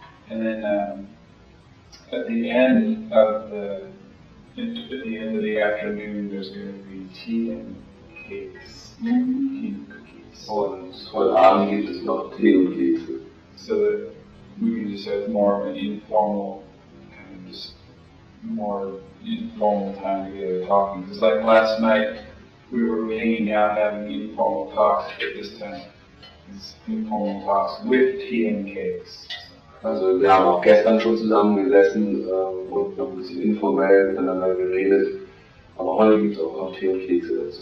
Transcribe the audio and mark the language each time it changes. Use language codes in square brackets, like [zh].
[en] And then at the end of the afternoon, there's going to be tea and cakes, tea and cookies. [de] Und heute Abend gibt es noch Tee und Kekse. [en] So that we can just have more of an informal kind of just. More informal time together talking. It's like last night we were hanging out having informal talks, but this time it's informal talks with tea and cakes. [de] Also, wir haben auch gestern schon zusammengesessen und noch ein bisschen informell miteinander geredet, aber heute gibt es auch noch Tee und Kekse dazu.